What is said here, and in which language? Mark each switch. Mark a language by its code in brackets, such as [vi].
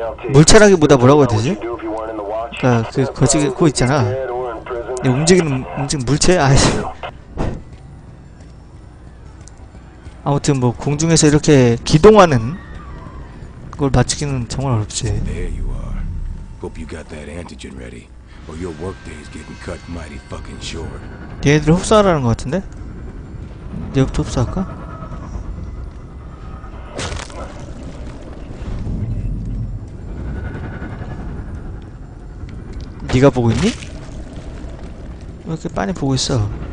[ko] 물체라기보다 뭐라고 해야 되지? 그러니까 그 거지고 있잖아. 움직이는 물체? 아이씨. 아무튼 뭐 공중에서 이렇게 기동하는 걸 맞추기는 정말 어렵지. [en] There you are. Hope you got that antigen ready. Or your work day is getting cut mighty fucking short. [ko] 얘네들 흡사하라는 것 같은데? 내부터 흡사할까? 네가 보고 있니? 왜 이렇게 빤히 보고 있어?